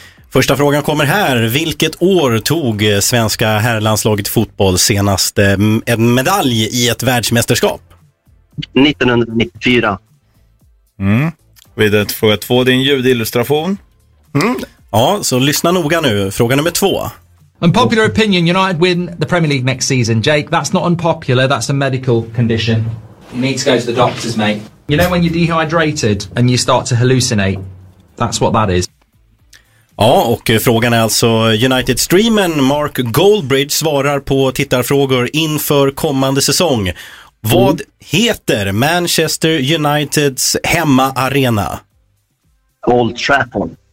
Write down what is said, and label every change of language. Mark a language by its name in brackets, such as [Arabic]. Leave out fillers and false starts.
[Swedish] Första frågan kommer här. Vilket år tog svenska herrlandslaget fotboll senast en medalj i ett världsmästerskap? 1994. Mm. Vidare till fråga två, din ljudillustration. Mm. Ja, så lyssna noga nu. Fråga nummer två. [English] Unpopular opinion, United win the Premier League next season. Jake, that's not unpopular, that's a medical condition. You need to go to the doctors, mate. You know when you're dehydrated and you start to hallucinate? That's what that is. [Swedish] Ja, och frågan är alltså, United-streamen Mark Goldbridge svarar på tittarfrågor inför kommande säsong. Vad heter Manchester Uniteds hemmaarena? Old Trafford.